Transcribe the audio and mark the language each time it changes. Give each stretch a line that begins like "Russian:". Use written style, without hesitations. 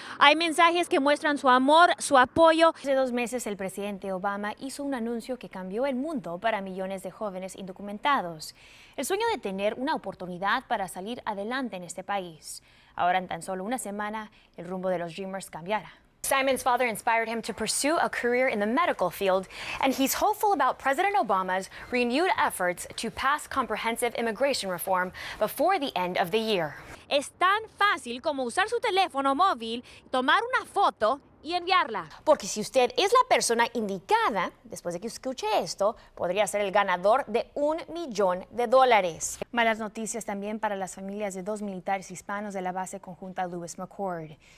Spanish: Hay mensajes que muestran su amor, su apoyo. Hace 2 meses el presidente Obama hizo un anuncio que cambió el mundo para millones de jóvenes indocumentados. El sueño de tener una oportunidad para salir adelante en este país. Ahora, en tan solo una semana, el rumbo de los Dreamers cambiará.
English: Simon's father inspired him to pursue a career in the medical field, and he's hopeful about President Obama's renewed efforts to pass comprehensive immigration reform before the end of the year.
Spanish: Es tan fácil como usar su teléfono móvil, tomar una foto y enviarla. Porque si usted es la persona indicada, después de que escuche esto, podría ser el ganador de $1,000,000. Malas noticias también para las familias de 2 militares hispanos de la base conjunta Lewis McChord.